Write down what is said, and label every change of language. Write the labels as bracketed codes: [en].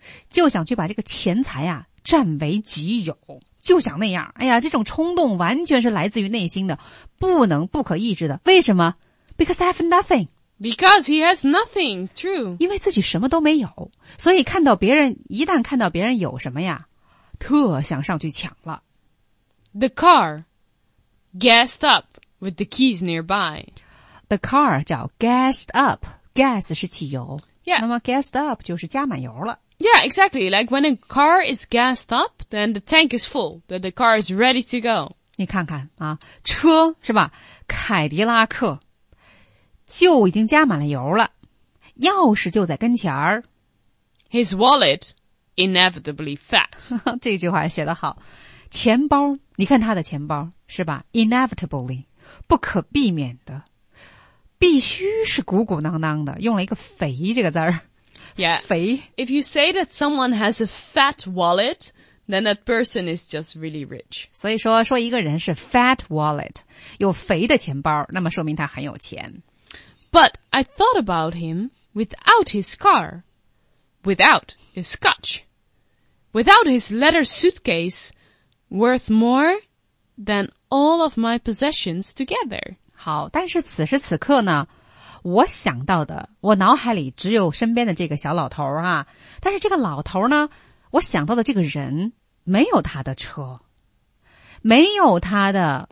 [zh] 就想去把这个钱财啊占为己有，就想那样。哎呀，这种冲动完全是来自于内心的，不能不可抑制的。为什么 [en] ？Because I have nothing. Because he has nothing. True. [zh] 因为自己什么都没有，所以看到别人一旦看到别人有什么呀，特想上去抢了。 [en] The car, gassed up with the keys nearby. The car [zh] 叫 [en] gassed up. Gas [zh] 是汽油。 [en] Yeah. [zh] 那么 gassed up 就是加满油了。 [en] Yeah, exactly. Like when a car is gassed up, then the tank is full. Then the car is ready to go. [zh] 你看看啊，车是吧？凯迪拉克就已经加满了油了，钥匙就在跟前儿。 [en] His wallet inevitably fast. [zh] 这句话写得好，钱包，你看他的钱包是吧 ？Inevitably, 不可避免的，必须是鼓鼓囊囊的，用了一个肥这个字儿。 [en] Yeah. If you say that someone has a fat wallet, then that person is just really rich. [zh] 所以说，说一个人是 fat wallet, 有肥的钱包，那么说明他很有钱。 [en] But I thought about him without his car, without his scotch, without his leather suitcase, worth more than all of my possessions together. [zh] 好，但是此时此刻呢？我想到的，我脑海里只有身边的这个小老头啊，但是这个老头呢，我想到的这个人没有他的车，没有他的